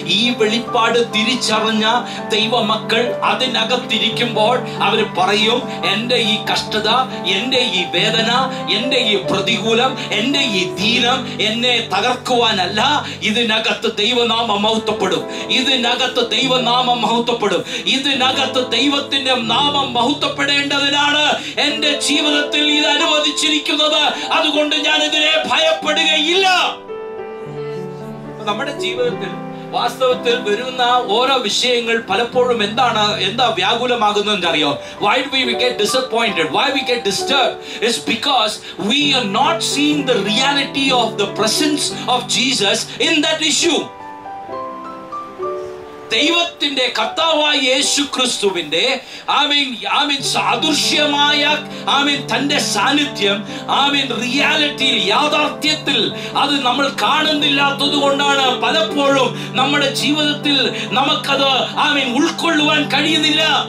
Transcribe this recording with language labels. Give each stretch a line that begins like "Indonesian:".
Malayalam: ഈ വെളിപ്പാട് തിരിച്ചറിഞ്ഞ ദൈവമക്കൾ അതിനകത്തിരിക്കുമ്പോൾ അവർ പറയും, എൻ്റെ ഈ കഷ്ടത, എൻ്റെ ഈ വേദന, എൻ്റെ ഈ പ്രതികൂലം, എൻ്റെ ഈ ദീനം എന്നെ തകർക്കുവാനല്ല, ഇതിനകത്ത് ദൈവനാമം മഹത്വപ്പെടും, ഇതിനകത്ത് ദൈവനാമം മഹത്വപ്പെടും, ഇതിനകത്ത് ദൈവത്തിന്റെ നാമം മഹത്വപ്പെടേണ്ടതിനാണ് എൻ്റെ ജീവിതത്തിൽ ഇത് അനുവദിച്ചിരിക്കുന്നത്. അതുകൊണ്ട് ഞാൻ ഇതിനെ ഭയപ്പെടുകയില്ല. നമ്മുടെ ജീവിതത്തിൽ വാസ്തവത്തിൽ വരുന്ന ഓരോ വിഷയങ്ങൾ പലപ്പോഴും എന്താണ്, എന്താ വ്യാകുലമാകുന്നതെന്ന് അറിയോ?
English: Why do we get disappointed? Why we get disturbed? It's because we are not seeing the reality of the presence of Jesus in that issue.
Malayalam: ദൈവത്തിന്റെ, കർത്താവായ യേശു ക്രിസ്തുവിന്റെ ആമീൻ സാദൃശ്യമായ ആമീൻ തന്റെ സാന്നിധ്യം ആമീൻ റിയാലിറ്റിയിൽ, യാഥാർത്ഥ്യത്തിൽ അത് നമ്മൾ കാണുന്നില്ലാത്തത് കൊണ്ടാണ് പലപ്പോഴും നമ്മുടെ ജീവിതത്തിൽ നമുക്കത് ആമീൻ ഉൾക്കൊള്ളുവാൻ കഴിയുന്നില്ല.